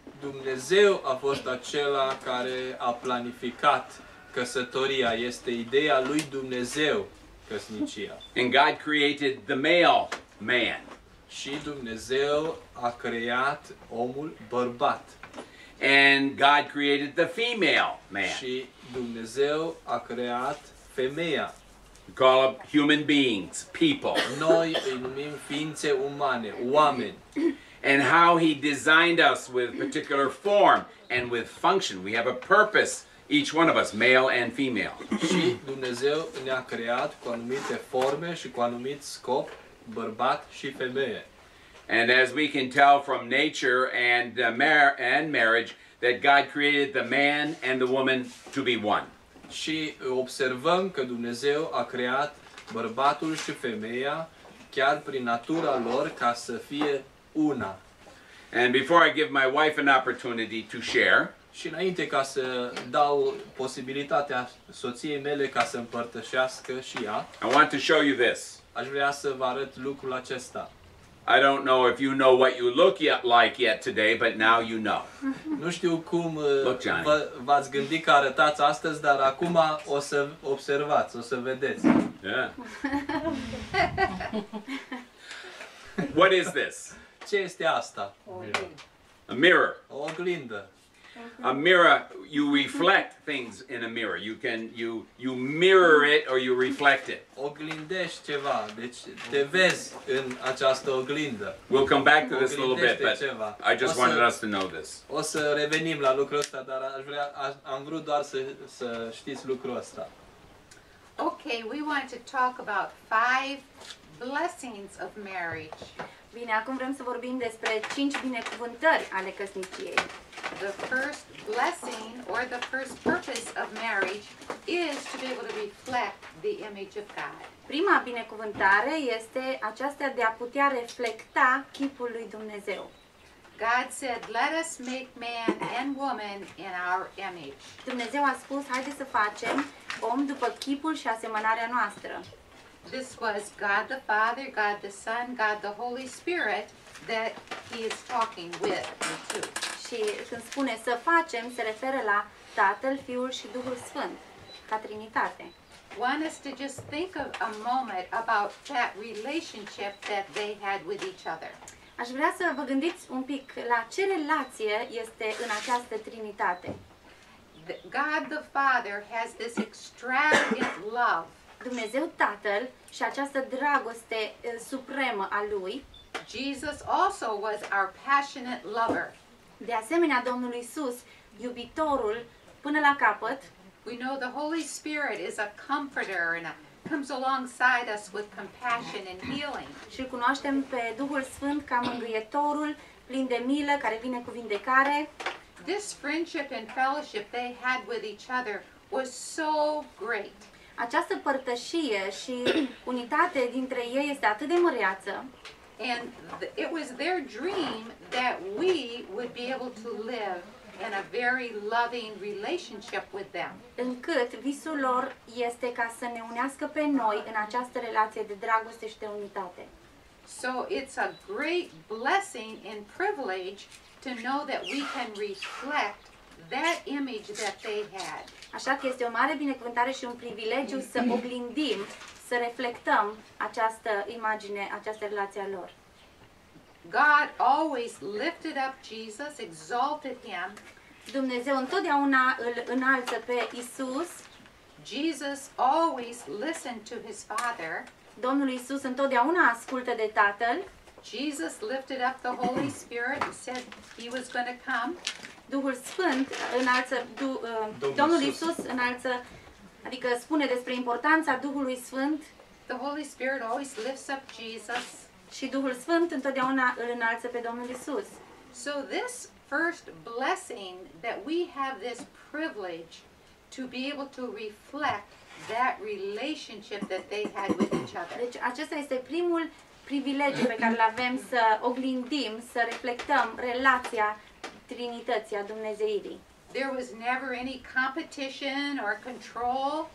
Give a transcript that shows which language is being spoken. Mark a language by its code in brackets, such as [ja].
[ro] Dumnezeu a fost acela care a planificat căsătoria. Este ideea lui Dumnezeu căsnicia. [en] And God created the male man. [ro] Și Dumnezeu a creat omul bărbat. [en] And God created the female man. [ro] Și Dumnezeu a creat femeia. [en] We call them human beings, people. [ro] Noi îi numim ființe umane, oameni. [en] And how he designed us with particular form and with function. We have a purpose, each one of us, male and female. [ro] Și Dumnezeu ne-a creat cu anumite forme și cu anumit scop, bărbat și femeie. [en] And as we can tell from nature and marriage, that God created the man and the woman to be one. [ro] Și observăm că Dumnezeu a creat bărbatul și femeia chiar prin natura lor ca să fie una. [en] And before I give my wife an opportunity to share, [ro] și înainte ca să dau posibilitatea soției mele ca să împărtășească și ea, [en] I want to show you this. [ro] Aș vrea să vă arăt lucrul acesta. [en] I don't know if you know what you look like yet today, but now you know. [ro] Nu știu cum v-ați gândit că arătați astăzi, dar acum o să observați, o să vedeți. Yeah. [en] What is this? [ro] Ce este asta? [en] A mirror. [ro] O oglindă. [en] A mirror, you reflect things in a mirror. You can you mirror it or you reflect it. [ro] Oglindești ceva, deci te vezi în această oglindă. [en] We'll come back to this a little bit, but I just wanted us to know this. [ro] O să revenim la lucrul ăsta, dar am vrut doar să știți lucrul ăsta. [en] Okay, we want to talk about 5 blessings of marriage. [ro] Bine, acum vrem să vorbim despre 5 binecuvântări ale căsniciei. [en] The first blessing or the first purpose of marriage is to be able to reflect the image of God. [ro] Prima binecuvântare este aceasta de a putea reflecta chipul lui Dumnezeu. [en] God said, "Let us make man and woman in our image." [ro] Dumnezeu a spus, haide să facem om după chipul și asemănarea noastră. [en] This was God the Father, God the Son, God the Holy Spirit that he is talking with and to. [ro] Și când spune să facem, se referă la Tatăl, Fiul și Duhul Sfânt, ca Trinitate. [en] Want us to just think of a moment about that relationship that they had with each other. [ro] Aș vrea să vă gândiți un pic la ce relație este în această Trinitate. [en] God the Father has this extravagant love. [ro] Dumnezeu Tatăl și această dragoste supremă a Lui. [en] Jesus also was our passionate lover. [ro] De asemenea, Domnul Iisus, iubitorul până la capăt. [en] We know the Holy Spirit is a comforter and comes alongside us with compassion and healing. [ro] Și cunoaștem pe Duhul Sfânt ca mângâietorul, plin de milă, care vine cu vindecare. [en] This friendship and fellowship they had with each other was so great. [ro] Această părtășie și unitate dintre ei este atât de măreață. [en] And it was their dream that we would be able to live in a very loving relationship with them. [ro] Încât visul lor este ca să ne unească pe noi în această relație de dragoste și de unitate. [en] So it's a great blessing and privilege to know that we can reflect that image that they had. [ro] Așa că este o mare binecuvântare și un privilegiu să oglindim, să reflectăm această imagine, această relație a lor. [en] God always lifted up Jesus, exalted him. [ro] Dumnezeu întotdeauna îl înalță pe Isus. [en] Jesus always listened to his Father. [ro] Domnul Isus întotdeauna ascultă de Tatăl. [en] Jesus lifted up the Holy Spirit and said he was going to come. [ro] Duhul Sfânt înalță, Domnul Iisus înalță, adică spune despre importanța Duhului Sfânt. [en] The Holy Spirit always lifts up Jesus. [ro] Și Duhul Sfânt întotdeauna îl înalță pe Domnul Iisus. [en] So this first blessing that we have this privilege to be able to reflect that relationship that they had with each other. [ro] Deci acesta este primul privilegiu pe care l-avem să oglindim, să reflectăm relația Trinității a Dumnezeirii. [en] There was never any competition or control.